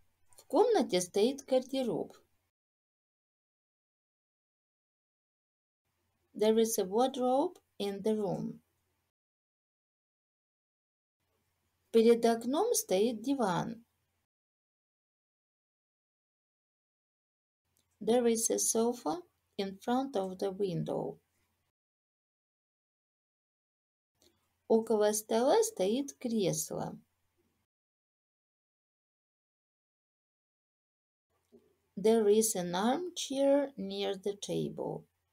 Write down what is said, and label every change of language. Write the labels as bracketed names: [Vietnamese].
[Russian] В комнате стоит гардероб. [English] There is a wardrobe in the room. [Russian] Перед окном стоит диван. [English] There is a sofa in front of the window. [Russian] Около стола стоит кресло. [English] There is an armchair near the table.